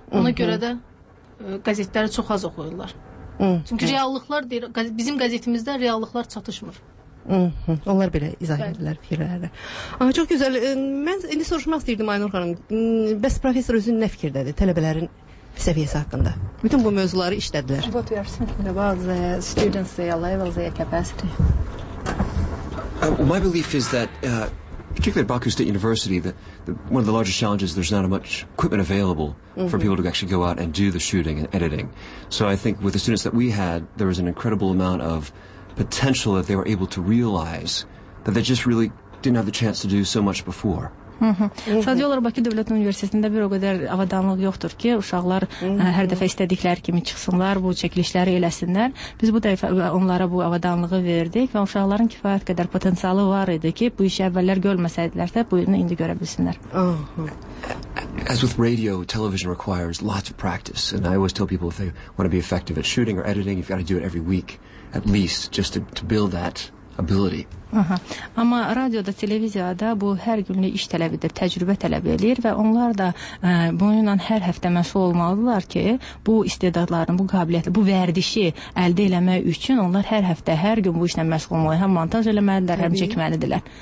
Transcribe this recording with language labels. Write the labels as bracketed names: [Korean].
[Azerbaijani] Ona görə də qəzetləri çox az oxuyurlar. Çünki reallıqlar, deyir, bizim qəzetimizdə reallıqlar çatışmır. Onlar belə izah edirlər fikirlərini. Çox gözəl. Mən indi soruşmaq istəyirdim Aynur xanım. Bəs professor özün nə fikirdədir tələbələrin səviyyəsi haqqında? Bütün bu mövzuları işlədilər. [English] What we are thinking about the students, their levels, their capacity. My belief is that, particularly at Baku State University, that one of the largest challenges, there's not much equipment available for people to actually go out and do the shooting and editing. So I think with the students that we had, there was an incredible amount of potential that they were able to realize that they just really didn't have the chance to do so much before. [Azerbaijani] Sadəcə olaraq Bakı Dövlət Universitetində bir o qədər avadanlıq yoxdur ki, uşaqlar hər dəfə istədikləri kimi çıxsınlar, bu çəkilişləri eləsinlər. Biz bu dəfə onlara bu avadanlığı verdik və uşaqların kifayət qədər potensialı var idi ki, bu işi əvvəllər görməsəydilərsə, bunu indi görə bilsinlər. [English] As with radio, television requires lots of practice, and I always tell people if they want to be effective at shooting or editing, you've got to do it every week, at least, just to build that ability. Aha. [Azerbaijani] Amma radioda, televiziyada bu hər günlük iş tələb edir, təcrübə tələb edir və onlar da bununla hər həftə məşğul olmalıdırlar ki, bu istedadların, bu qabiliyyətli, bu vərdişi əldə eləmək üçün onlar hər həftə, hər gün bu işlə məşğul olmalıdır. Həm montaj eləməlidirlər, təbii, həm çəkməlidirlər.